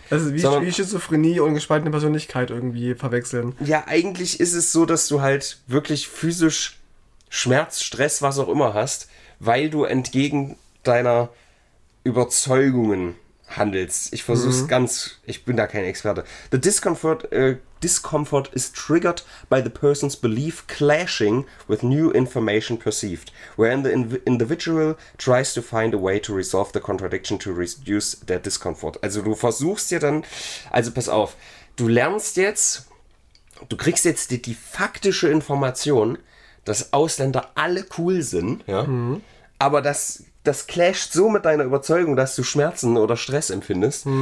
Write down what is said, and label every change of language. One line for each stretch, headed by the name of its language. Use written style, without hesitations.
German: Also wie Schizophrenie und gespaltene Persönlichkeit irgendwie verwechseln. Ja, eigentlich ist es so, dass du halt wirklich physisch Schmerz, Stress, was auch immer hast, weil du entgegen deiner Überzeugungen handelst. Ich versuch's ganz, ich bin da kein Experte.
English: The discomfort is triggered by the person's belief clashing with new information perceived, wherein the individual tries to find a way to resolve the contradiction to reduce their discomfort.
German: Also du versuchst ja dann, also pass auf, du lernst jetzt, du kriegst jetzt die faktische Information, dass Ausländer alle cool sind, ja, aber das clasht so mit deiner Überzeugung, dass du Schmerzen oder Stress empfindest.